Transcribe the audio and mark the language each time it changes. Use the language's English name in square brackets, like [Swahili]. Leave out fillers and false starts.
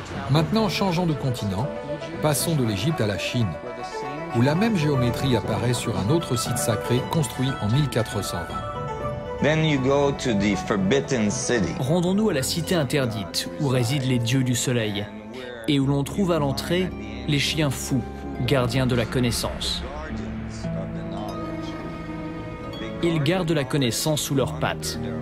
[French] Maintenant, changeons de continent, passons de l'Égypte à la Chine, où la même géométrie apparaît sur un autre site sacré construit en 1420. [English] Then you go to the forbidden city. [French] Rendons-nous à la cité interdite, où résident les dieux du soleil, et où l'on trouve à l'entrée les chiens fous, gardiens de la connaissance. Ils gardent la connaissance sous leurs pattes.